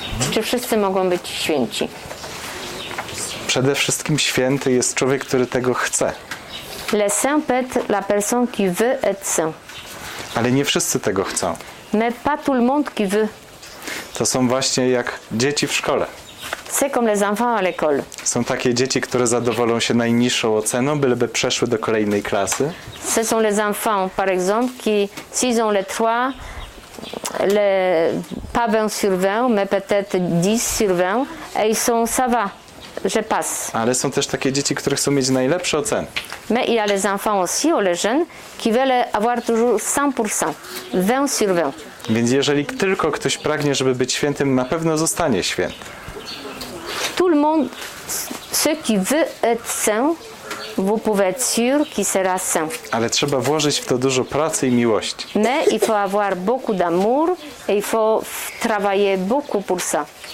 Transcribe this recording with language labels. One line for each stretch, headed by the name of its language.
Polish: Czy wszyscy mogą być święci? Przede wszystkim święty jest człowiek, który tego chce.
French: Le saint peut être la personne qui veut être saint.
Polish: Ale nie wszyscy tego chcą.
French: Mais pas tout le monde qui veut.
Polish: To są właśnie jak dzieci w szkole.
French: C'est comme les enfants à l'école.
Polish: Są takie dzieci, które zadowolą się najniższą oceną, byleby przeszły do kolejnej klasy.
French: Ce sont les enfants, par exemple, qui, s'ils ont les trois, les, pas 20 sur 20, mais peut-être 10 sur 20, et ils sont, ça va, je passe.
Polish: Ale są też takie dzieci, które chcą mieć najlepsze oceny.
French: Mais il y a les enfants aussi, ou les jeunes, qui veulent avoir toujours 100%, 20 sur 20.
Polish: Więc jeżeli tylko ktoś pragnie, żeby być świętym, na pewno zostanie święty.
French: Tout le monde, ceux qui veulent être saint, vous pouvez être sûr qu'il sera saint.
Polish: Ale trzeba włożyć w to dużo pracy i miłości.
French: Mais il faut avoir beaucoup d'amour et il faut travailler beaucoup pour ça.